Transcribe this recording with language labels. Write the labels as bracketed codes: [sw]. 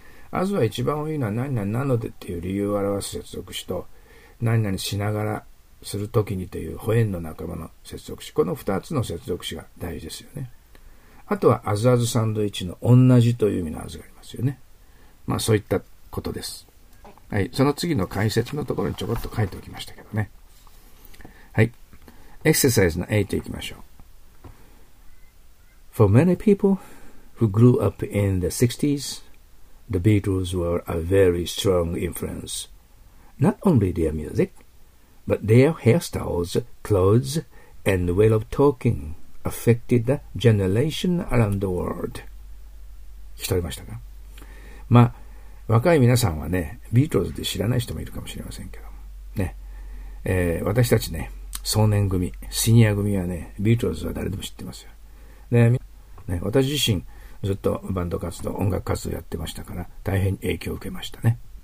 [ja] あずは一番多いのは何々なのでっていう理由を表す接続詞と、何々しながらするときにというほえんの仲間の接続詞、この2つの接続詞が大事ですよね。あとはあずあずサンドイッチの同じという意味のあずがありますよね。まあそういったことです。はい、その次の解説のところにちょこっと書いておきましたけどね。はい、エクササイズの8いきましょう。 [en] For many people who grew up in the 60s, the Beatles were a very strong influence. Not only their music, but their hairstyles, clothes, and way of talking affected the generation around the world. [ja] 聞き取りましたか？まあ、若い皆さんはね、ビートルズで知らない人もいるかもしれませんけど、ね、私たちね、少年組、シニア組はね、ビートルズは誰でも知ってますよ。で、ね、私自身ずっとバンド活動、音楽活動やってましたから、大変影響を受けましたね。